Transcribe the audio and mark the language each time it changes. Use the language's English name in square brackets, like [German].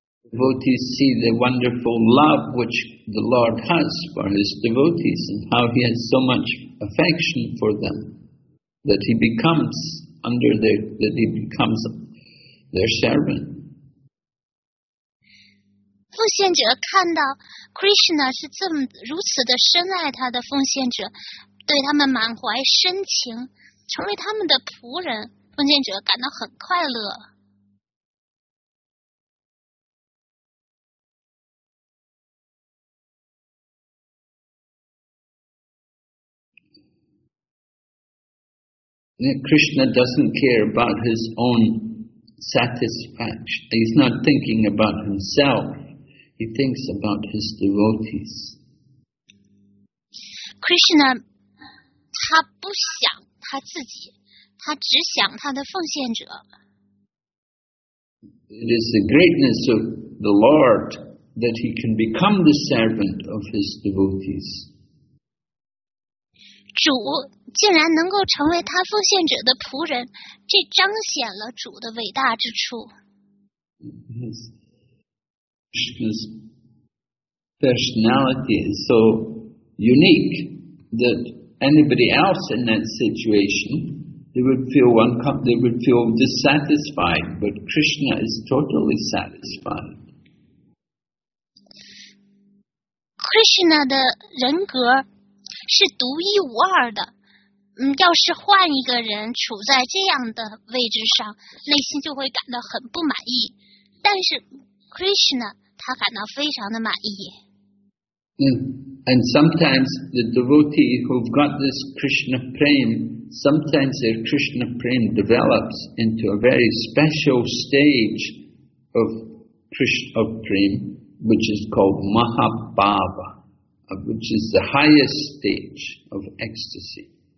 [English] Devotees see the wonderful love which the Lord has for his devotees and how he has so much affection for them that he becomes under their, that he becomes their servant. [Chinese] 奉献者看到 Krishna 是这么如此的深爱他的奉献者，对他们满怀深情，成为他们的仆人，奉献者感到很快乐。 [English] Krishna doesn't care about his own satisfaction. He's not thinking about himself. He thinks about his devotees. [Chinese] Krishna, 他不想他自己，他只想他的奉献者。 [English] It is the greatness of the Lord that he can become the servant of his devotees. [Chinese] 主竟然能够成为他奉献者的仆人，这彰显了主的伟大之处。 [English] His personality is so unique that anybody else in that situation, they would feel dissatisfied, but Krishna is totally satisfied. [Chinese] Krishna 的人格是独一无二的。要是换一个人处在这样的位置上，内心就会感到很不满意。但是 Krishna 他感到非常的满意。 [English] And sometimes the devotee who've got this Krishna prema, sometimes their Krishna prema develops into a very special stage of Krishna prema, which is called Mahabhava, which is the highest stage of ecstasy.